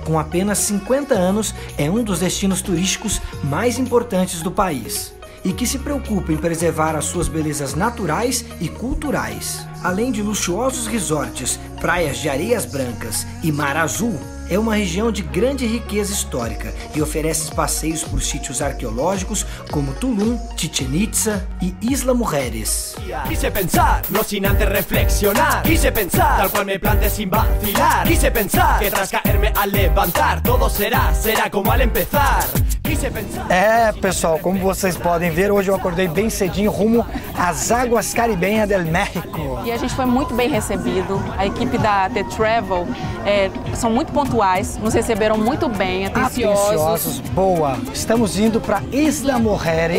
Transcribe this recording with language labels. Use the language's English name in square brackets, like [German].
[Portuguese] Com apenas 50 anos, é um dos destinos turísticos mais importantes do país e que se preocupa em preservar as suas belezas naturais e culturais. Além de luxuosos resorts, praias de areias brancas e mar azul, é uma região de grande riqueza histórica e oferece passeios por sítios arqueológicos como Tulum, Chichen Itza e Isla Mujeres. [Spanish] Quise pensar, no sin antes reflexionar. Quise pensar, tal cual me plante sin vacilar. Quise pensar, que tras caerme al levantar, todo será, será como al empezar. [Portuguese] É, pessoal, como vocês podem ver, hoje eu acordei bem cedinho rumo às águas caribenhas del México. E a gente foi muito bem recebido. A equipe da The Travel são muito pontuais, nos receberam muito bem, atenciosos. Atenciosos, boa. Estamos indo para Isla Mujeres.